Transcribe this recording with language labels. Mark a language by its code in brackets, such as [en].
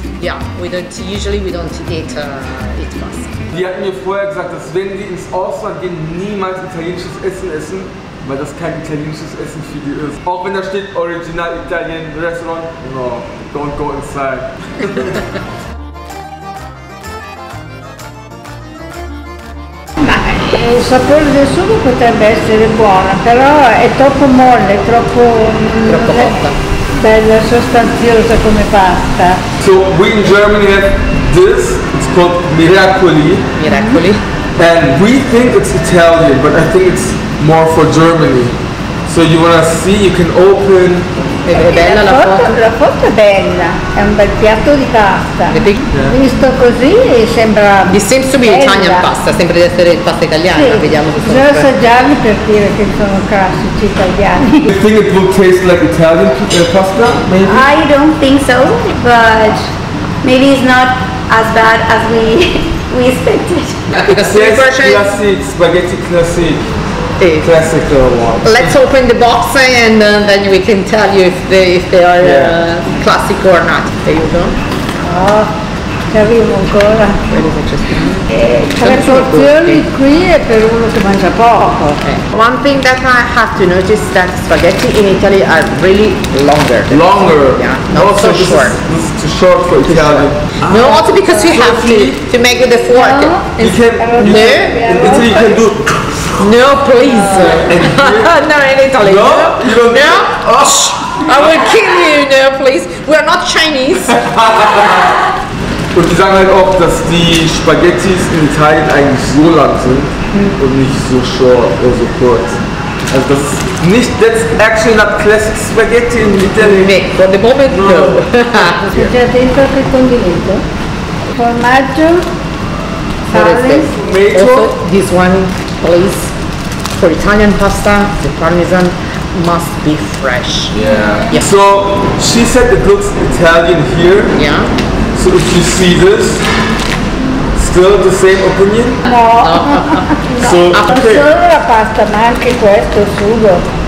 [en] Yeah, we don't usually we don't eat eat pasta. [de] Die hat mir vorher gesagt, dass wenn die ins Ausland gehen, niemals italienisches Essen essen. Weil das kein italienisches Essen für die ist. Auch wenn da steht Original Italian Restaurant, [en] no, don't go inside. [it] Ma il sapore del sugo potrebbe essere buono, però è troppo molle, troppo cotta. Bella sostanziosa come pasta. [en] So we in Germany have this, it's called Miracoli. Miracoli. And we think it's Italian, but I think it's more for Germany. So you wanna see, you can open. [it] È bella la foto? La foto è bella, è un bel piatto di pasta. Vedi? Visto così sembra. [en] It seems to be Italian pasta, [it] sembra di essere pasta italiana, sì. Vediamo se sono. Bisogna assaggiarli per dire che sono classici italiani. [en] Do you think it will taste like Italian pasta? Maybe? I don't think so, but maybe it's not as bad as we expected. Classic spaghetti classic. Classical one. Let's open the box and then we can tell you if they are classic or not. There you go. [it] Ci arrivo ancora. Tre porzioni qui è per uno che mangia poco. [en] Okay. One thing that I have to notice that spaghetti in Italy are really longer. Longer. Not so short. This is too short for Italian. No, also because you have to make the fork. No, you can do. No, please. No, in Italy. No, you don't. No. Oh, I will kill you. No, please. We are not Chinese. [de] Und die sagen halt auch, dass die Spaghettis in Italien eigentlich so lang sind und nicht so short oder so kurz. Also das ist nicht, [en] that's actually not classic Spaghetti in Italien. Nee, for the moment no. [it] C'è già dentro che condimento? Formaggio, sale, [en] tomato. This one, please, for Italian pasta, the parmesan must be fresh. Yeah. Yes. So, she said it looks Italian here. Yeah. So if you see this, still the same opinion? No. So okay. [it] Non solo la pasta, ma anche questo sugo.